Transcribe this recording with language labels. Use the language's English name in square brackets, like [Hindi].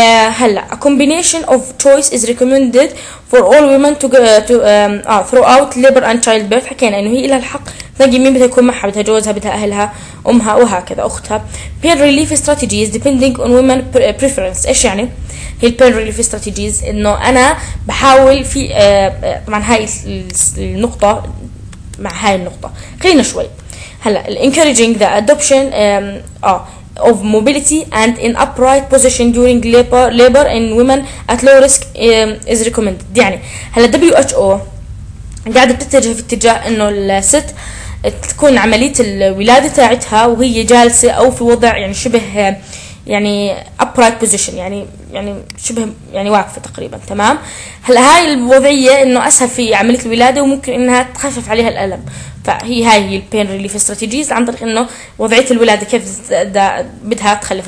[Arabic] هلا [English] a combination of choice is recommended for all women throughout labor and childbirth، [Arabic] حكينا انه هي لها الحق تنقي مين بدها يكون معها، بدها جوزها، بدها اهلها، امها، وهكذا، اختها. [English] pain relief strategies depending on women preference، [Arabic] ايش يعني هي [English] pain relief strategies؟ [Arabic] انه انا بحاول في طبعا هاي النقطة مع هاي النقطة، خلينا شوي. [English] هلا encouraging the adoption of mobility and in upright position during labor in women at low risk is recommended. [Arabic] يعني هلا WHO قاعده بتتجه في اتجاه انه الست تكون عمليه الولاده تاعتها وهي جالسه او في وضع يعني شبه يعني [English] upright position، [Arabic] يعني شبه يعني واقفه تقريبا، تمام. هلا هاي الوضعيه انه اسهل في عمليه الولاده وممكن انها تخفف عليها الالم، فهي هاي هي [English] البين relief strategies [Arabic] عن طريق انه وضعية الولادة كيف بدها تخلف.